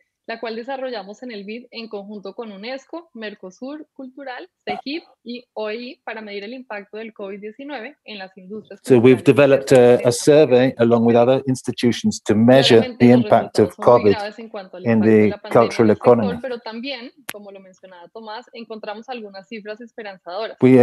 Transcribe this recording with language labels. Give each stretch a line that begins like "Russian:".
Spanish: la cual desarrollamos en el BID en conjunto con UNESCO, Mercosur, Cultural, CEGIP y OEI para medir el impacto del COVID-19 en las industrias.
English: So we've developed a survey along with other institutions to measure the impact of COVID in the cultural economy.
Spanish: Pero también, como lo mencionaba Tomás, encontramos algunas cifras esperanzadoras.